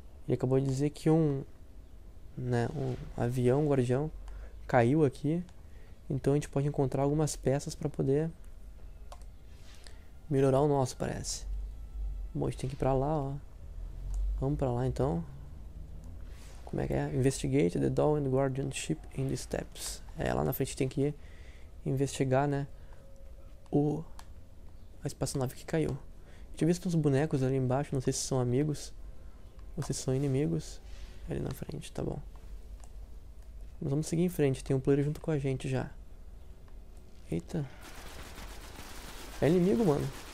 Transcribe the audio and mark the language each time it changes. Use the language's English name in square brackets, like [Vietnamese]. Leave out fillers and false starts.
[Portuguese] Ele acabou de dizer que um avião, um guardião, caiu aqui. Então a gente pode encontrar algumas peças para poder melhorar o nosso, parece. Bom, a gente tem que ir pra lá, ó. Vamos pra lá então. Como é que é? [English] Investigate the Dawn Guardianship in the Steps. [Portuguese] É, lá na frente tem que ir investigar, né? A espaçonave que caiu. A gente viu uns bonecos ali embaixo, não sei se são amigos. Vocês são inimigos ali na frente, tá bom. Mas vamos seguir em frente, tem um player junto com a gente já. Eita. É inimigo, mano.